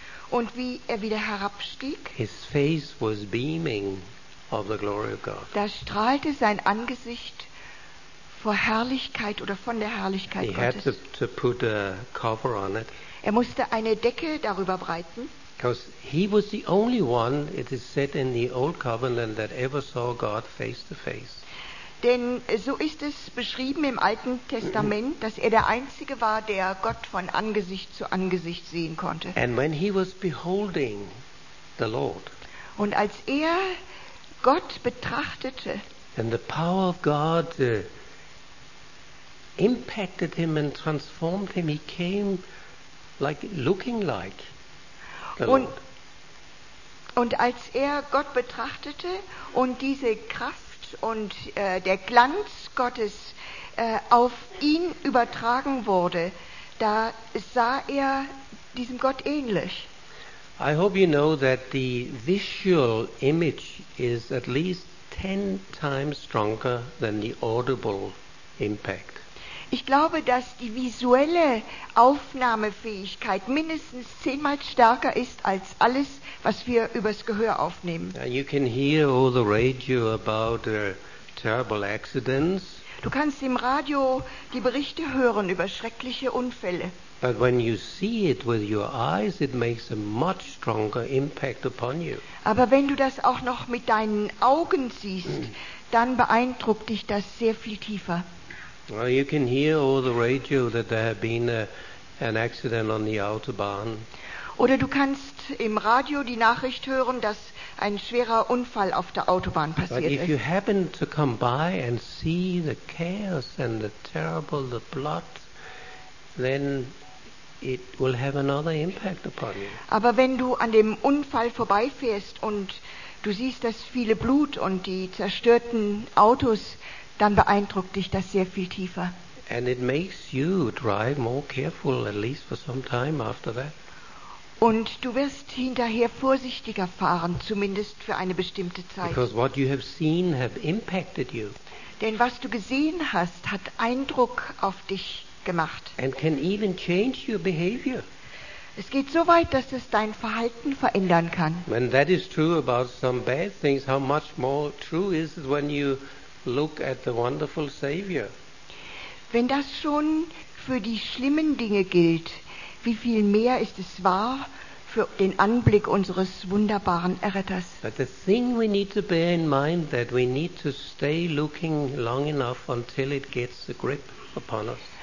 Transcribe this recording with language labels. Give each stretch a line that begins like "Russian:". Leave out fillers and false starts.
German: und wie er wieder herabstieg,
English: his face was beaming of the glory of God.
German: Da strahlte sein Angesicht vor Herrlichkeit oder von der Herrlichkeit
English: he
German: Gottes.
English: Had to put a cover on it.
German: Er musste eine Decke darüber breiten.
English: Because he was the only one, it is said in the old covenant, that ever saw God face to face.
German: Denn so ist es beschrieben im Alten Testament, dass er der Einzige war, der Gott von Angesicht zu Angesicht sehen konnte.
English: And when he was beholding the Lord,
German: und als er Gott betrachtete,
English: then the power of God impacted him and transformed him. He came like looking like the Lord.
German: Und als er Gott betrachtete und diese Kraft und der Glanz Gottes auf ihn übertragen wurde, da sah er diesem Gott ähnlich.
English: I hope you know that the visual image is at least 10 times stronger than the audible impact.
German: Ich glaube, dass die visuelle Aufnahmefähigkeit mindestens 10-mal stärker ist als alles, was wir übers Gehör aufnehmen.
English: You can hear all the radio about terrible accidents.
German: Du kannst im Radio die Berichte hören über schreckliche Unfälle.
English: But when you see it with your eyes, it makes a much stronger impact upon you.
German: Aber wenn du das auch noch mit deinen Augen siehst, dann beeindruckt dich das sehr viel tiefer.
English: Well, you can hear over the radio that there had been an accident on the Autobahn.
German: Oder du kannst im Radio die Nachricht hören, dass ein schwerer Unfall auf der Autobahn passiert ist.
English: But if you happen to come by and see the chaos and the terrible, the blood, then it will have another impact upon you.
German: Aber wenn du an dem Unfall vorbeifährst und du siehst das viele Blut und die zerstörten Autos, dann beeindruckt dich das sehr viel tiefer.
English: And it makes you drive more careful, at least for some time after that.
German: Und du wirst hinterher vorsichtiger fahren, zumindest für eine bestimmte Zeit.
English: Because what you have seen have impacted you.
German: Denn was du gesehen hast, hat Eindruck auf dich gemacht.
English: And can even change your behavior.
German: Es geht so weit, dass es dein Verhalten verändern kann.
English: When that is true about some bad things, how much more true is it when you look at the wonderful Savior?
German: Wenn das schon für die schlimmen Dinge gilt, wie viel mehr ist es wahr für den Anblick unseres wunderbaren Erretters?
English: But the thing we need to bear in mind that we need to stay looking long enough until it gets a grip upon us.